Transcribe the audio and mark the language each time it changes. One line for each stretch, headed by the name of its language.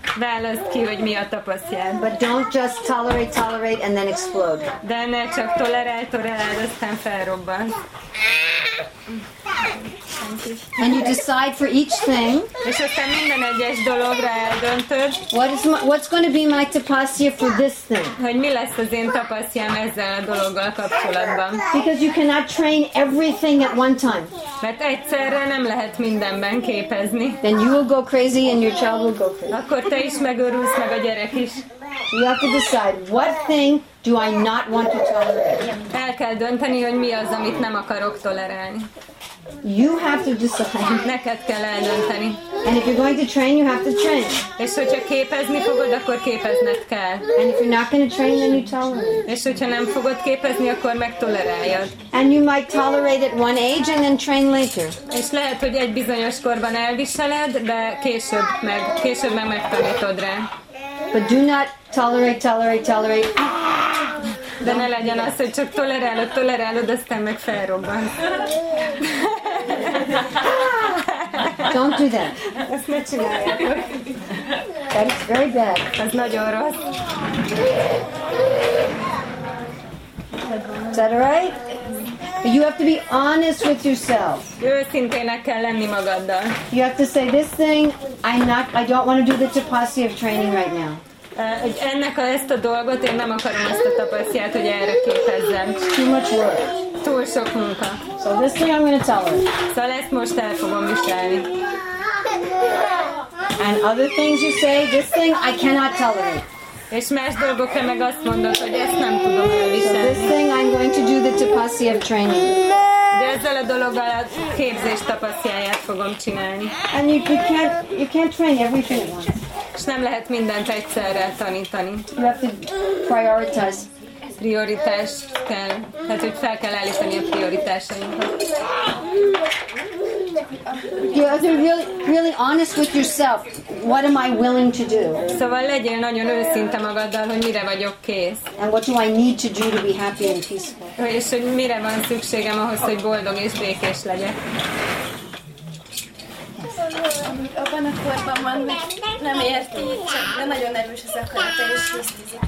Hungarian: Választ ki, hogy mi a tapasya.
English: But don't just tolerate and then explode.
Hungarian: De ne csak tolerál, aztán felrobban.
English: And you decide for each thing.
Hungarian: És aztán minden egyes dologra eldöntöd.
English: What's going to be my tapasya for this thing?
Hungarian: Hogy mi lesz az én tapasyám ezzel a dologgal kapcsolatban?
English: Because you cannot train everything at one time.
Hungarian: Mert egyszerre nem lehet mindenben képezni.
English: Then you will go crazy and your child will go crazy.
Hungarian: Akkor te is megőrülsz, meg a gyerek is.
English: You have to decide what thing do I not want to tolerate.
Hungarian: El kell dönteni, hogy mi az, amit nem akarok tolerálni.
English: You have to decide.
Hungarian: Neked kell eldönteni.
English: And if you're going to train, you have to train.
Hungarian: És hogyha képezni fogod, akkor képezned kell.
English: And if you're not going to train, then you tolerate.
Hungarian: És hogyha nem fogod képezni, akkor megtoleráljad.
English: And you might tolerate at one age and then train later.
Hungarian: És lehet, hogy egy bizonyos korban elviseled, de később meg megtanítod rá.
English: But do not tolerate.
Hungarian: De ne legyen az, hogy csak tolerálod, aztán meg felrobban.
English: Don't do that.
Hungarian: Ezt ne csináljátok.
English: That is very bad.
Hungarian: Ez nagyon rossz.
English: Is that right? You have to be honest with yourself.
Hungarian: Őszintének kell lenni magaddal.
English: You have to say this thing, I don't want to do the tapasya of training right now.
Hungarian: Ennek ezt a dolgot én nem akarom ezt a tapasztalat, hogy erre képezzem.
English: Too much work.
Hungarian: Túl sok munka.
English: So this thing I'm gonna tell her.
Hungarian: Szóval ezt most el fogom viselni.
English: And other things you say, this thing I cannot tolerate.
Hungarian: És más dolgokra meg azt mondod, hogy ezt nem tudom elviselni.
English: This thing I'm going to do the tapasya of training.
Hungarian: De ezzel a dologgal a képzés tapasztalját fogom csinálni.
English: And you can't train everything at once.
Hungarian: És nem lehet mindent egyszerre tanítani.
English: You have to prioritize.
Hungarian: Prioritás kell. Tehát, hogy fel kell állítani a prioritásainkat.
English: You have to be really, really honest with yourself. What am I willing to do?
Hungarian: Szóval legyél nagyon őszinte magaddal, hogy mire vagyok kész.
English: And what do I need to do to be happy and peaceful?
Hungarian: És hogy mire van szükségem ahhoz, hogy boldog és békés legyek. Abban a korban van, hogy nem érti, de nagyon erős az akarata, és hisztizik.